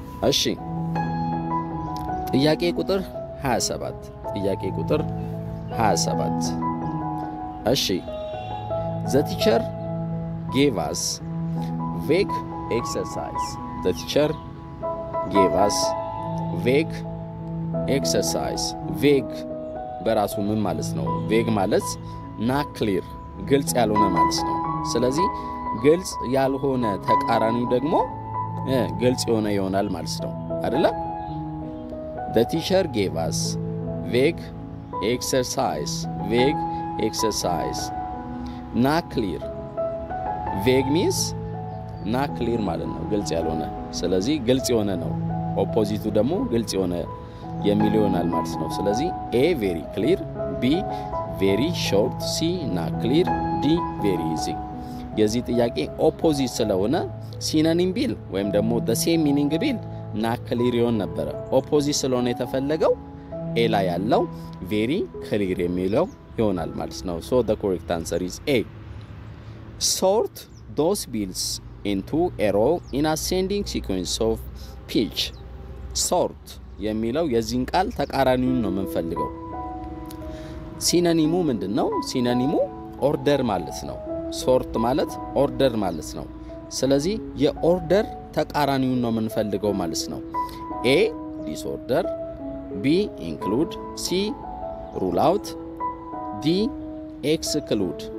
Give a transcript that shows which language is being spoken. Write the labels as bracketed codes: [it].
[am] እሺ ጥያቄ ቁጥር 27 ጥያቄ ቁጥር 27 እሺ [en] the teacher gave us vague exercise. The teacher gave us vague exercise. Vague [am] በራሱ ምን ማለት ነው? vague ማለት [en] not clear, [am] ግልጽ ያልሆነ ማለት ነው። ስለዚህ ግልጽ ያልሆነ ተቃራኒው ደግሞ ግልጽ የሆነ ይሆናል ማለት ነው አይደለ? [en] The teacher gave us vague exercise. Vague exercise. Not clear. Vague means not clear [am] ማለት ነው ግልጽ ያልሆነ። ስለዚህ ግልጽ የሆነ ነው ኦፖዚቱ ደግሞ ግልጽ የሆነ የሚል ይሆናል ማለት ነው። ስለዚህ [en] A very clear, B very short, C not clear, D very easy. [am] የዚህ ጥያቄ ኦፖዚት ስለሆነ ሲነኒም ቢል ወይም ደግሞ the same meaning ቢል not clear ይሆን ነበር። ኦፖዚት ስለሆነ የተፈለገው A ላይ ያለው very clear የሚለው ይሆናል ማለት ነው። [en] So the correct answer is A. Sort those bills into a row in ascending sequence of pitch. [am] Sort የሚለው የዚህን ቃል ተቃራኒውን ነው የምንፈልገው። ሲነኒሙ ምንድነው? ሲነኒሙ order ማለት ነው። Sort ማለት order ማለት ነው። ስለዚህ የorder ተቃራኒውን ነው የምንፈልገው ማለት ነው። [en] A disorder, B include, C rule out, D exclude.